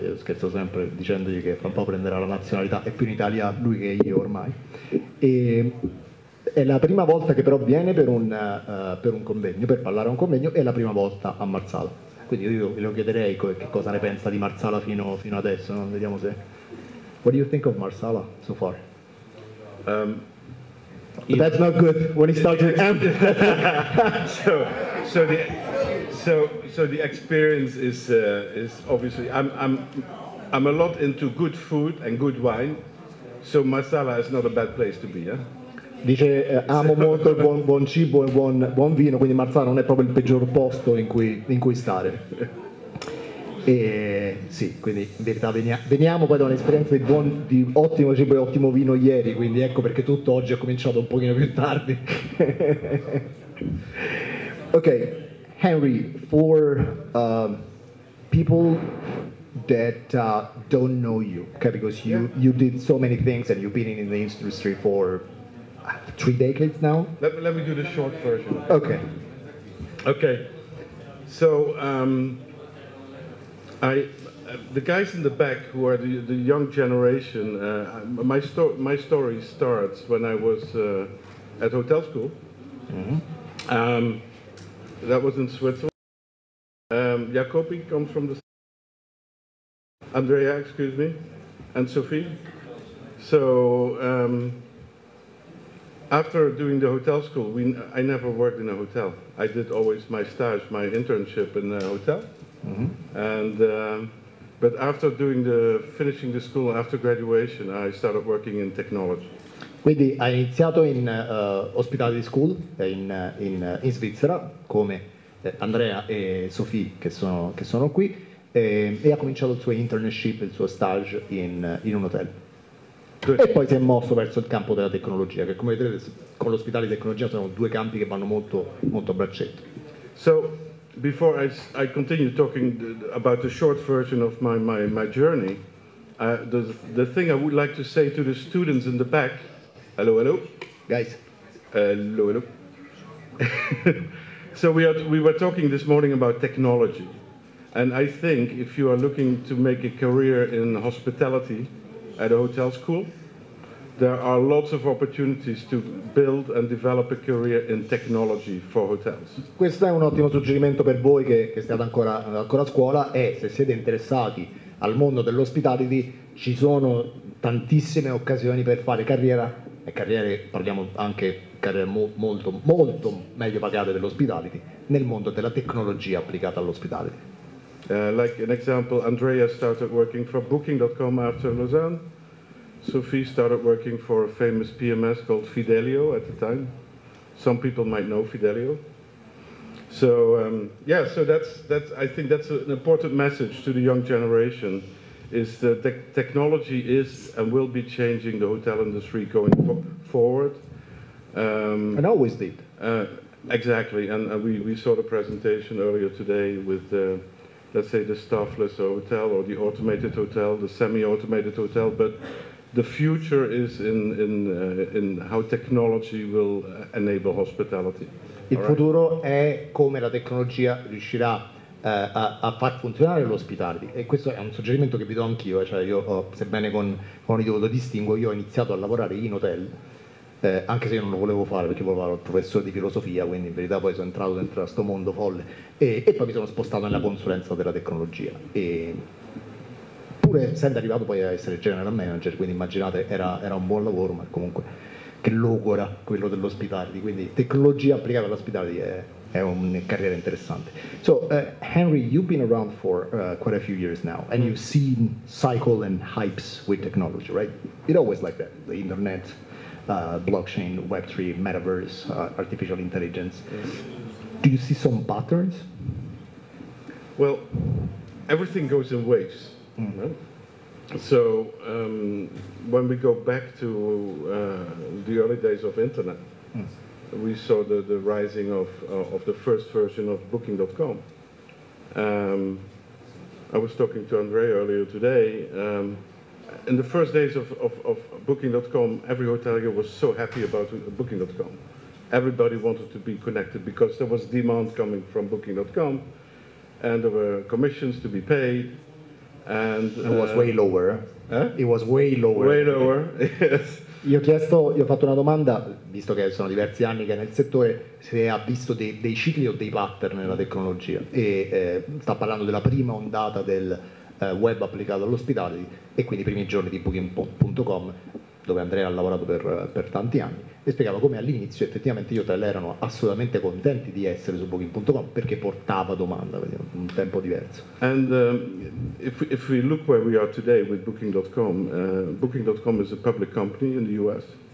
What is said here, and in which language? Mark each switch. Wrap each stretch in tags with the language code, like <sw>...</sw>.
<it>Io scherzo sempre dicendogli che fra un po' prenderà la nazionalità, è più in Italia lui che io ormai. E è la prima volta che però viene per un convegno, per parlare a un convegno, è la prima volta a Marsala. Quindi io glielo chiederei che cosa ne pensa di Marsala fino adesso, no? Vediamo se...</it> <en>What do you think of Marsala so far? That's not good when he started to end. So the experience is obviously I'm a lot into good food and good wine, so Marsala is not a bad place to be. Eh?</en> <it>Dice amo molto il buon cibo e buon vino, quindi Marsala non è proprio il peggior posto in cui stare. E sì, quindi in verità veniamo poi da un'esperienza di ottimo cibo e ottimo vino ieri, quindi ecco perché tutto oggi è cominciato un pochino più tardi.</it> <en>Ok, Henry, for people that don't know you, okay, because you did so many things and you've been in the industry for 3 decades now. Let me do the short version. Okay. Okay. So I the guys in the back who are the young generation. My story starts when I was at hotel school. Mm-hmm. That was in Switzerland. Jacopi comes from the. Andrea, excuse me, and Sophie. So. After doing the hotel school, I never worked in a hotel. I did always my stage, my internship in a hotel. Mm-hmm. And but after finishing the school, after graduation, I started working in technology.</en> <it>Quindi hai iniziato in hospitality school in Svizzera come Andrea e Sophie che sono qui e ha cominciato il suo internship, il suo stage in un hotel. E poi si è mosso verso il campo della tecnologia, che come vedete con l'ospitale di tecnologia sono due campi che vanno molto molto a braccetto.</it> <en>So before I continue talking about the short version of my journey, the thing I would like to say to the students in the back, hello hello guys, hello hello. So we were talking this morning about technology, and I think if you are looking to make a career in hospitality at a hotel school, there are lots of opportunities to build and develop a career in technology for hotels.</en> <it>Questo è un ottimo suggerimento per voi che state ancora a scuola, e se siete interessati al mondo dell'hospitality, ci sono tantissime occasioni per fare carriera, e carriere, parliamo anche carriere molto, molto meglio pagate dell'hospitality, nel mondo della tecnologia applicata all'hospitality.</it> <en>Like an example, Andrea started working for Booking.com after Lausanne. Sophie started working for a famous PMS called Fidelio at the time. Some people might know Fidelio. So that's I think that's an important message to the young generation, is that technology is and will be changing the hotel industry going forward. And always did. Exactly, and we saw the presentation earlier today with let's say the staffless hotel or the automated hotel, the semi-automated hotel, but the future is in how technology will enable hospitality.</en> <it>Il futuro è come la tecnologia riuscirà a far funzionare l'ospitality, e questo è un suggerimento che vi do anch'io, cioè io, sebbene con il lo distingo, io ho iniziato a lavorare in hotel, anche se io non lo volevo fare perché volevo fare il professore di filosofia, quindi in verità poi sono entrato dentro questo mondo folle e poi mi sono spostato nella consulenza della tecnologia, e pure essendo arrivato poi a essere general manager, quindi immaginate, era un buon lavoro, ma comunque che logora quello dell'ospitality, quindi tecnologia applicata all'ospitality è un carriera interessante.</it> <en>So Henry, you've been around for quite a few years now, and you've seen cycle and hypes with technology, right? It always like that, the internet, blockchain, Web3, metaverse, artificial intelligence. Do you see some patterns? Well, everything goes in waves. Mm-hmm. So when we go back to the early days of internet, we saw the rising of the first version of Booking.com. I was talking to Andre earlier today. In the first days of Booking.com, every hotelier was so happy about Booking.com. everybody wanted to be connected because there was demand coming from booking.com and there were commissions to be paid. And it was way lower. Eh? It was way lower. Way lower, yes.</en> <it>Io ho fatto una domanda, visto che sono diversi anni che è nel settore, se ha visto dei cicli o dei pattern nella tecnologia. Sta parlando della prima ondata del web applicato all'ospitality e quindi i primi giorni di booking.com, dove Andrea ha lavorato per tanti anni, e spiegava come all'inizio effettivamente gli hotel erano assolutamente contenti di essere su booking.com perché portava domanda, quindi un tempo diverso.</it> <en>And if we look where we are today with booking.com, booking.com is a public company in the US.</en>